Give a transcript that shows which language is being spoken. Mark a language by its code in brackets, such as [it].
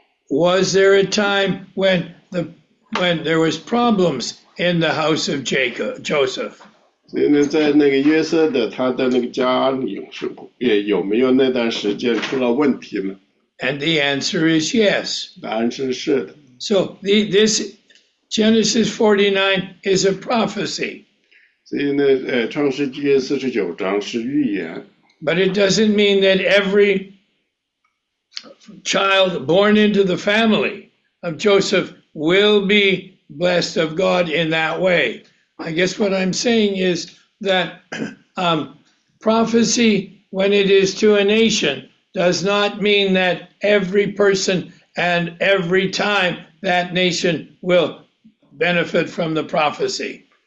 [en] Was there a time when there was problems in the house of Jacob, Joseph? [zh] 所以呢，在那个约瑟的他的那个家里有没有那段时间出了问题呢？ [en] And the answer is yes. [zh] 当然是的。 [en] So this Genesis 49 is a prophecy. [zh] 所以呢，创世纪49章是预言。 [en] But it doesn't mean that every child born into the family of Joseph will be blessed of God in that way. I guess what I'm saying is that prophecy, when it is to a nation, does not mean that every person and every time that nation will benefit from the prophecy.